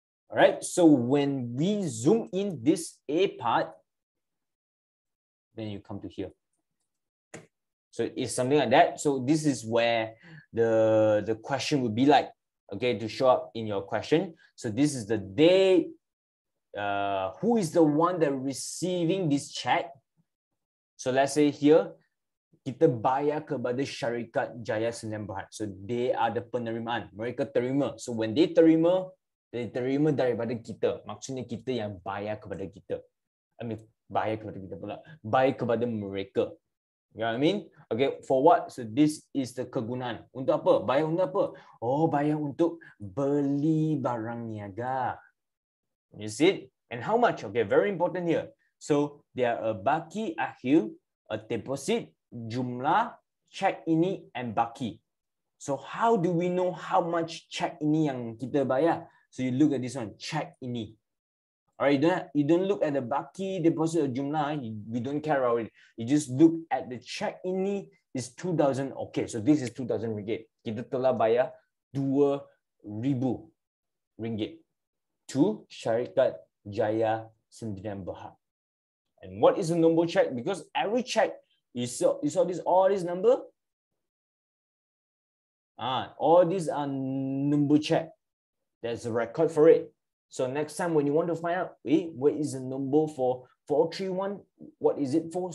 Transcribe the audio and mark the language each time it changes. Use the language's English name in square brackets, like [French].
[English] All right, so when we zoom in this A part, then you come to here. So it's something like that. So this is where the question would be like, okay, to show up in your question. So this is the date. Who is the one that receiving this check? So let's say here, [Malay] kita bayar kepada syarikat Jaya Sdn Bhd. [English] So they are the penerimaan. [Malay] Mereka terima. [English] So when they terima, they terima [Malay] daripada kita. Maksudnya kita yang bayar kepada kita. Bayar kepada kita pula. Bayar kepada mereka. [English] You know what I mean? Okay, for what? So this is the [Malay] kegunaan. Untuk apa? Bayar untuk apa? Oh, bayar untuk beli barang niaga. [English] You see it? And how much? Okay, very important here. So there are a baki akhir, a deposit, jumlah, check ini, and baki. So how do we know how much check [Malay] ini yang kita bayar? [English] So you look at this one, check ini. All right, you don't look at the baki deposit or jumlah. We don't care about it. You just look at the check ini is 2,000. Okay, so this is 2,000 ringgit. [Malay] Kita telah bayar 2,000 ringgit [English] to [Malay] Syarikat Jaya Sdn Bhd. [English] And what is the number check? Because every check, you saw this, all this number? All these are number check. There's a record for it. So next time when you want to find out, hey, what is the number for 431? What is it for?